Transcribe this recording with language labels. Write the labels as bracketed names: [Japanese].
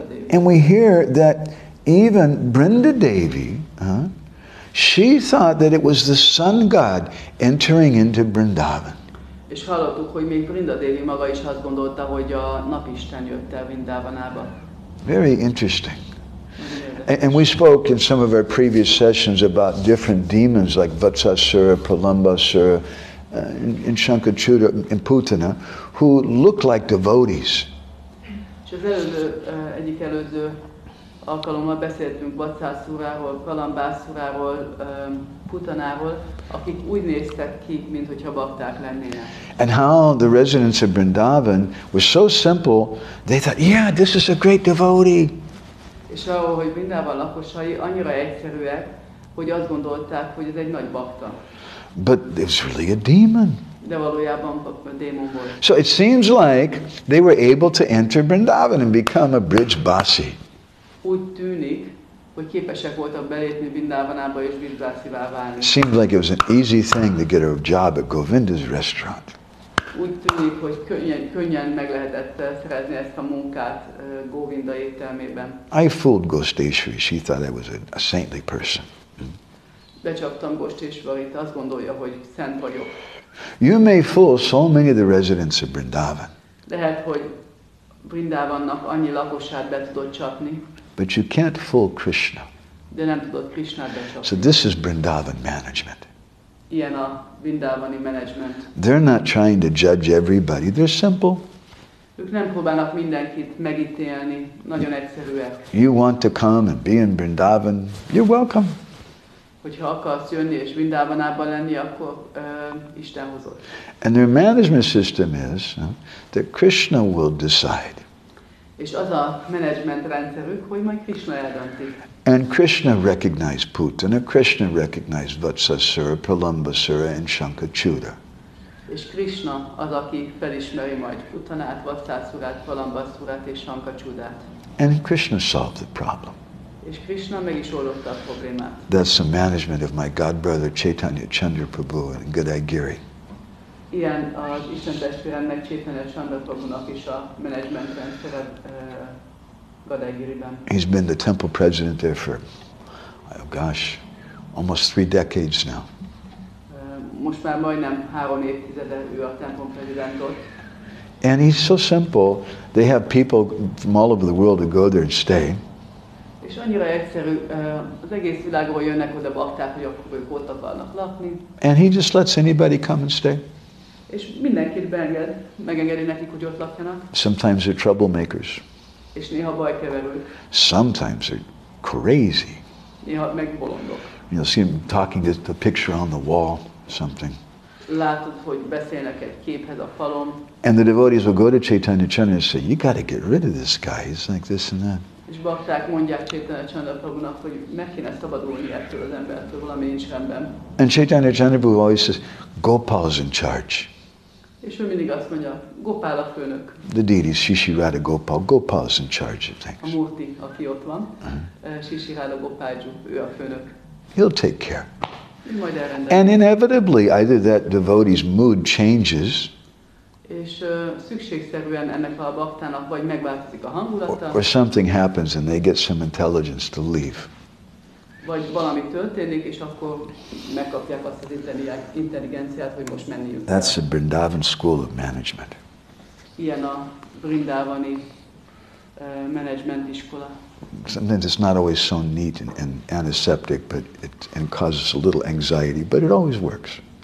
[English] And we hear that even Vrindadevi, she thought that it was the sun god entering into Vrindavan. [Hungarian] És hallottuk, hogy még Vrindadevi maga is azt gondolta, hogy a napisten jött el Vrindavanába. [English] Very interesting. And we spoke in some of our previous sessions about different demons like Vatsasura, Pralambasura, and Shankachuda, and Putana, who look like devotees. [Hungarian] És az egyik előző alkalommal beszéltünk Bacsászúráról, Kalambászúráról, Putanáról, akik úgy néztek ki, mint hogyha bakták lennének. [English] And how the residents of Vrindavan were so simple, they thought, yeah, this is a great devotee. [Hungarian] És ahol, hogy Vrindavan lakosai annyira egyszerűek, hogy azt gondolták, hogy ez egy nagy bakta. [English] But it was really a demon. [Hungarian] De valójában a démon volt. [English] So it seems like they were able to enter Vrindavan and become a bridge bassi. [Hungarian] Úgy tűnik, hogy képesek voltak belépni Vrindavanába és bridge bassivá válni. [English] Seems like it was an easy thing to get a job at Govinda's restaurant. [Hungarian] Úgy tűnik, hogy könnyen meg lehetett szerezni ezt a munkát Govinda ételmében. [English] I fooled Gosteshwari. She thought I was a saintly person. [Hungarian] Becsaptam Gosteshwarit, azt gondolja, hogy szent vagyok. [English] You may fool so many of the residents of Vrindavan. [Hungarian] Lehet, hogy Vrindavannak annyi lakosát be tudod csapni. [English] But you can't fool Krishna. [Hungarian] De nem tudod Krishnát becsapni. [English] So this is Vrindavan management. [Hungarian] Ilyen a Vrindavani management. [English] They're not trying to judge everybody. They're simple. [Hungarian] Ők nem próbálnak mindenkit megítélni. Nagyon egyszerűek. [English] You want to come and be in Vrindavan? You're welcome. [Hungarian] Hogyha akarsz jönni és Vrindavanában lenni, akkor Isten hozott. [English] And their management system is that Krishna will decide. [Hungarian] És az a management rendszerük, hogy majd Krishna eldönti. [English] And Krishna recognized Putana, Krishna recognized Vatsasura, Pralambasura and Shankachuda. [Hungarian] És Krishna az, aki felismeri majd Putanát, Vatsasurát, Pralambasurát és Shankachudát. [English] And Krishna solved the problem. [Hungarian] És Krishna meg is oldotta a problémát. [English] That's the management of my godbrother Chaitanya Chandraprabhu and Gadagiri. [Hungarian] Ilyen az Isten testvéremnek Chaitanya Chandraprabhunak is a management rendszere Gadagiriben. [English] He's been the temple president there for, oh gosh, almost 3 decades now. [Hungarian] Most már majdnem 3 évtizede ő a templom prezidente. [English] And he's so simple, they have people from all over the world who go there and stay. [Hungarian] És annyira egyszerű, az egész világról jönnek oda bakták, hogy akkor ők ott akarnak lakni. [English] And he just lets anybody come and stay. [Hungarian] És mindenkit beenged, megengedi nekik, hogy ott lakjanak. [English] Sometimes they're troublemakers. [Hungarian] És néha bajkeverők. [English] Sometimes they're crazy. [Hungarian] Néha megbolondok. [English] You'll see them talking to the picture on the wall, something. [Hungarian] Látod, hogy beszélnek egy képhez a falon. [English] And the devotees will go to Chaitanya Chandra and say, you got to get rid of this guy, he's like this and that. [Hungarian] És bakták mondják Chaitanya Chandraprabhunak, hogy meg kéne szabadulni ettől az embertől, valami nincs rendben. [English] And Chaitanya Chandraprabhu always says, Gopal's in charge. [Hungarian] És ő mindig azt mondja, Gopal a főnök. [English] The deity, Shishi Radha Gopal, Gopal's in charge of things. [Hungarian] A Murti, aki ott van, Shishi Radha Gopalju, ő a főnök. [English] He'll take care. And inevitably, either that devotee's mood changes, [Hungarian] és szükségszerűen ennek a baktának vagy megváltozik a hangulata. [English] Or something happens and they get some intelligence to leave. [Hungarian] Vagy valami történik, és akkor megkapják azt az intelligenciát, hogy most menniük. [English] That's the Vrindavan school of management. [Hungarian] Ilyen a Vrindavani management iskola. [English] Sometimes it's not always so neat and antiseptic, but it and causes a little anxiety, but it always works.